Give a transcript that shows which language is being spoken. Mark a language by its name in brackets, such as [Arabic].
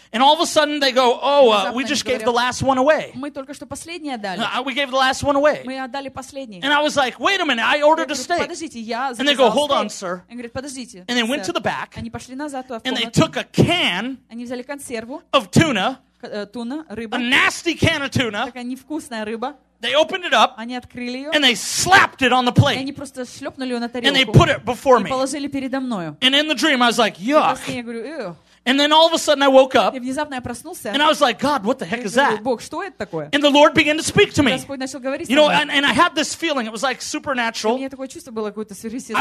[English] And all of a sudden they go, oh, we just gave the last one away. [Russian] Мы только что последнее отдали. [English] We gave the last one away. [Russian] Мы отдали последнее. [English] And I was like, wait a minute, I ordered a steak. [Russian] Подождите, я заказал стейк. [English] And they go, hold on, sir. [Russian] Они говорят, подождите. [English] And they went to the back. [Russian] Они пошли назад, в комнату. [English] And they took a can. [Russian] Они взяли консерву. [English] Of tuna. [Russian] Туна, рыба. [English] A nasty can of tuna. [Russian] Такая невкусная рыба. [English] They opened it up. [Russian] Они открыли ее. [English] And they slapped it on the plate. [Russian] И они просто шлепнули ее на тарелку. [English] And they put it before me. [Russian] И положили передо мною. [English] And in the dream I was like, yuck. [Russian] И во сне я говорю, эх. [English] And then all of a sudden I woke up. [Russian] И внезапно я проснулся. [English] And I was like, God, what the heck is that? [Russian] Бог, что это такое? [English] And the Lord began to speak to me. [Russian] Господь начал говорить. [English] You know, and I had this feeling. It was like supernatural. [Russian] У меня такое чувство было какое-то сверхъестественное.